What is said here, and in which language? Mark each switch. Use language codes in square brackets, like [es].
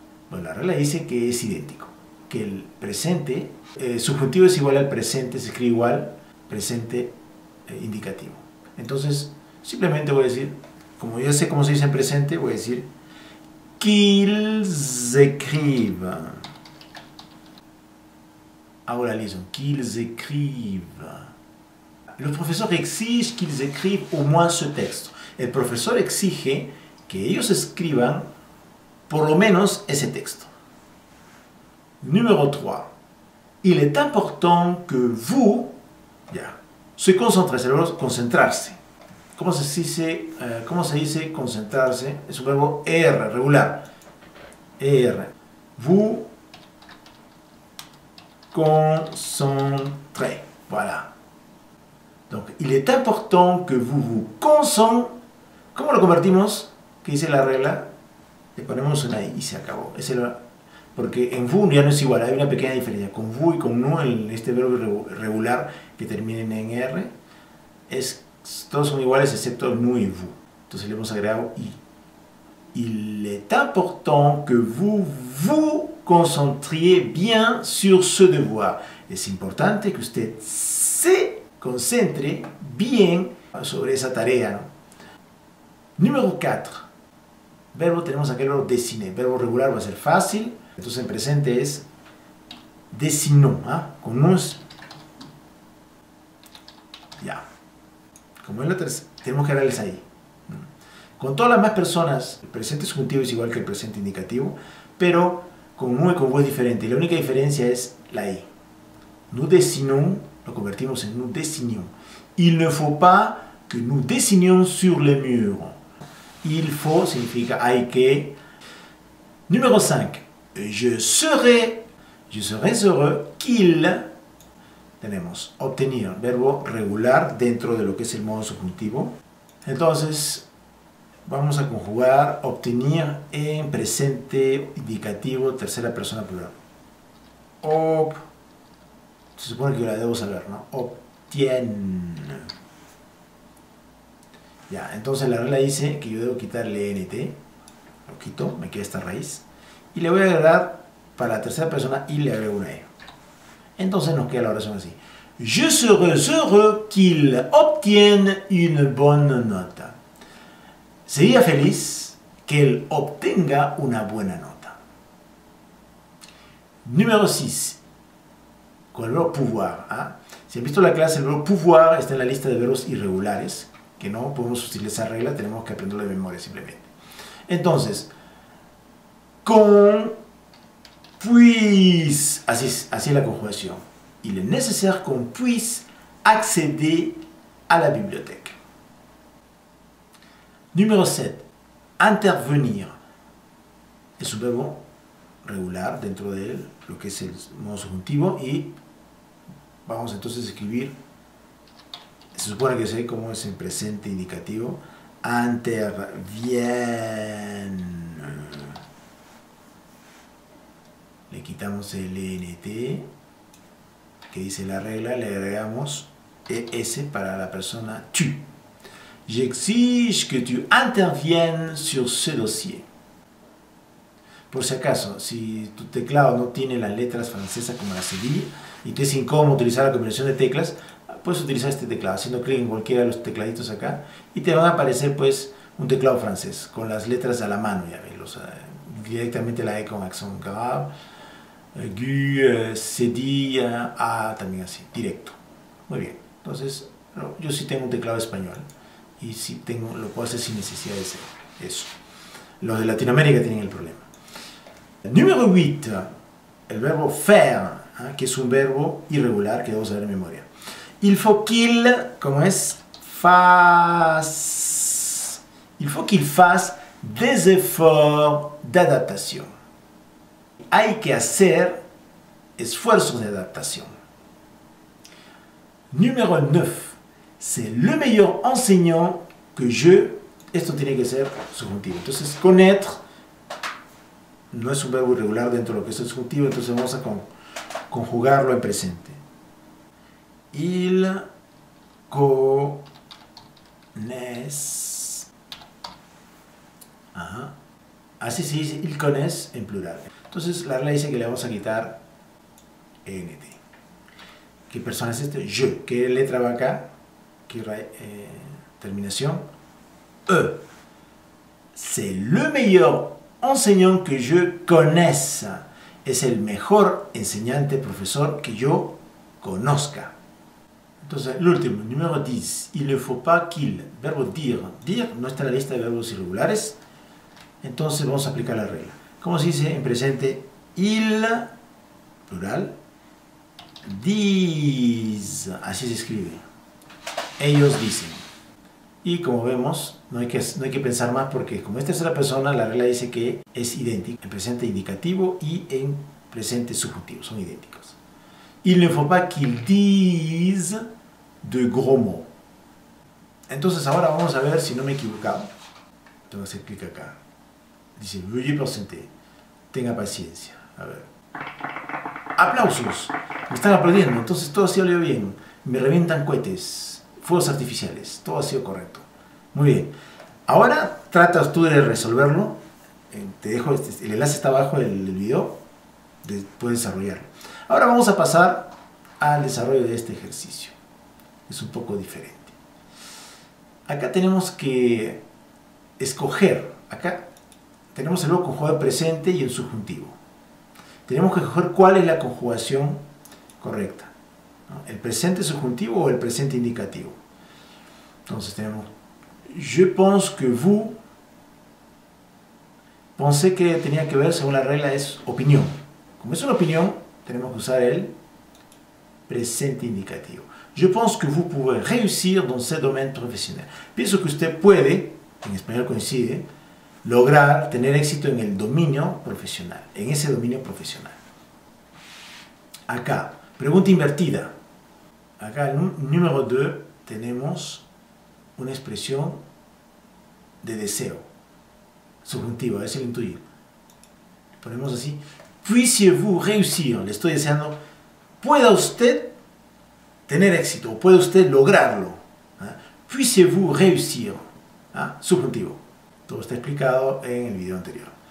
[es] Bueno, la regla dice que es idéntico. Que el presente, subjuntivo es igual al presente, se escribe igual, presente indicativo. Entonces, simplemente voy a decir, como ya sé cómo se dice en presente, voy a decir [fr] qu'ils écrivent. [es] Ahora [fr] lisons, qu'ils écrivent. Le professeur exige qu'ils écrivent au moins ce texte. [es] El profesor exige que ellos escriban por lo menos ese texto. Número 3. [fr] Il est important que vous. [es] Ya. [fr] Se concentrez, [es] el verbo concentrarse. ¿Cómo se dice concentrarse? Es un verbo er, regular. Er. Vous. [fr] Concentré. Voilà. Donc, il est important que vous vous concentrez. [es] ¿Cómo lo convertimos? ¿Qué dice la regla? Le ponemos una I y se acabó. Es el, porque en vous ya no es igual. Hay una pequeña diferencia. Con vous y con nous, este verbo regular que termina en R, todos son iguales excepto nous y vous. Entonces le hemos agregado I. [fr] Il est important que vous vous concentriez bien sur ce devoir. [es] Es importante que usted se concentre bien sobre esa tarea. Número 4. Verbo, tenemos aquel verbo dessiner. Verbo regular va a ser fácil. Entonces en presente es dessinons. ¿Eh? Con nous. Ya. Como es la tercera, tenemos que darles ahí. Con todas las más personas, el presente subjuntivo es igual que el presente indicativo, pero con nous y con vous es diferente. La única diferencia es la I. [fr] Nous dessinons, [es] lo convertimos en [fr] nous dessinions. Il ne faut pas que nous dessinions sur les murs. [es] Il faut significa hay que. Número 5. [fr] Je serai heureux qu'il. [es] Tenemos obtenir, verbo regular dentro de lo que es el modo subjuntivo. Entonces, vamos a conjugar obtenir en presente indicativo tercera persona plural. Ob. Se supone que la debo saber, ¿no? Obtiene. Ya, entonces la regla dice que yo debo quitarle NT. Lo quito, me queda esta raíz. Y le voy a agregar para la tercera persona y le agrego una E. Entonces nos queda la oración así. [fr] Je serais heureux qu'il obtienne une bonne note. [es] Sería feliz que él obtenga una buena nota. Número 6. Con el verbo pouvoir. ¿Eh? Si han visto la clase, el verbo pouvoir está en la lista de verbos irregulares, que no podemos utilizar esa regla, tenemos que aprenderlo de memoria simplemente. Entonces, con puisse, así es la conjugación. [fr] Il est nécessaire qu'on puisse accéder à la bibliothèque. [es] Número 7. Intervenir. es un verbo regular dentro de lo que es el modo subjuntivo, y vamos entonces a escribir, se supone que sé cómo es en presente indicativo, intervien. Le quitamos el NT, que dice la regla, le agregamos ES para la persona tu. [fr] J'exige que tu interviennes sur ce dossier. [es] Por si acaso, si tu teclado no tiene las letras francesas como la cedilla y te es incómodo utilizar la combinación de teclas, puedes utilizar este teclado haciendo clic en cualquiera de los tecladitos acá y te van a aparecer pues un teclado francés con las letras a la mano, ya ves, o sea, directamente la E con accent grave, aigu, cedilla, A, también así, directo. Muy bien, entonces yo sí tengo un teclado español y sí tengo, lo puedo hacer sin necesidad de hacer eso. Los de Latinoamérica tienen el problema. Número 8, el verbo faire, ¿eh?, que es un verbo irregular que debo saber en memoria. [fr] Il faut qu'il, [es] ¿cómo es? [fr] Fasse. Il faut qu'il fasse des efforts d'adaptation. [es] Hay que hacer esfuerzos de adaptación. Número 9, [fr] c'est le meilleur enseignant que je. [es] Esto tiene que ser subjuntivo. Entonces, connaître. No es un verbo irregular dentro de lo que es el subjuntivo, entonces vamos a conjugarlo en presente. [fr] Il connaisse. Ajá. [es] Así se dice, [fr] il connaisse [es] en plural. Entonces la regla dice que le vamos a quitar NT. ¿Qué persona es este? Je. ¿Qué letra va acá? ¿Qué terminación? E. [fr] C'est le meilleur enseignant que je connaisse. [es] Es el mejor enseñante, profesor que yo conozca. Entonces, el último, número 10. [fr] Il ne faut pas qu'il. [es] Verbo dire. Dire no está en la lista de verbos irregulares. Entonces, vamos a aplicar la regla. ¿Cómo se dice en presente? Il, plural, dise. Así se escribe. Ellos dicen. Y como vemos, no hay que pensar más porque como es tercera persona, la regla dice que es idéntico. En presente indicativo y en presente subjuntivo. Son idénticos. [fr] Il ne faut pas qu'il dise de gros mots. [es] Entonces ahora vamos a ver si no me he equivocado. Tengo que hacer clic acá. Dice, [fr] veuillez presenter. [es] Tenga paciencia. A ver. ¡Aplausos! Me están aplaudiendo. Entonces todo ha sido leído bien. Me revientan cohetes. Fuegos artificiales. Todo ha sido correcto. Muy bien. Ahora tratas tú de resolverlo. Te dejo el enlace está abajo del video. Puedes desarrollarlo. Ahora vamos a pasar al desarrollo de este ejercicio. Es un poco diferente. Acá tenemos que escoger. Acá tenemos el verbo conjugado presente y el subjuntivo. Tenemos que escoger cuál es la conjugación correcta, ¿no? ¿El presente subjuntivo o el presente indicativo? Entonces tenemos, [fr] je pense que vous. [es] Pensé que tenía que ver, según la regla, es opinión. Como es una opinión, tenemos que usar el presente indicativo. [fr] Je pense que vous pouvez réussir dans ce domaine professionnel. [es] Pienso que usted puede, en español coincide, lograr tener éxito en el dominio profesional, en ese dominio profesional. Acá, pregunta invertida. Acá, número 2, tenemos una expresión de deseo, subjuntivo, a ver si lo intuye. Ponemos así, [fr] puissiez-vous réussir, [es] le estoy deseando, pueda usted tener éxito, puede usted lograrlo. [fr] Puissiez-vous réussir, [es] subjuntivo. Todo está explicado en el video anterior.